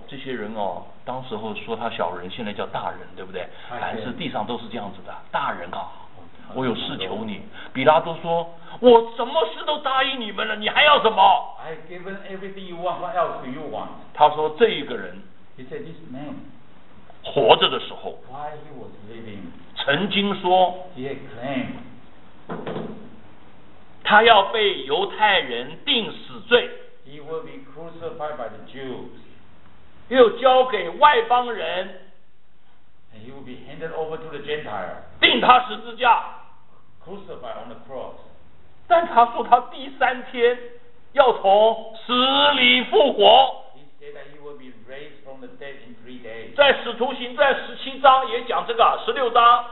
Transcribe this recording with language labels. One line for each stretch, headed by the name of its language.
Chinese: 这些人哦当时候说他小人现在叫大人对不对凡是地上都是这样子的大人啊我有事求你比拉多说我什么事都答应你们了你还要什么
English: I've given everything you want what else do you want
Chinese: 他说这一个人
English: he said this man
Chinese: 活着的时候
English: while he was living
Chinese: 曾经说
English: he had claimed
Chinese: 他要被犹太人定死罪
English: he will be crucified by the Jews
Chinese: 又交给外邦人
English: And he will be handed over to the Gentile.
Chinese: 定他十字架
English: Crucified on the cross.
Chinese: 但他说他第三天要从死里复活
English: He said that he will be raised from the dead in 3 days.
Chinese: 在使徒行传十七章也讲这个十六章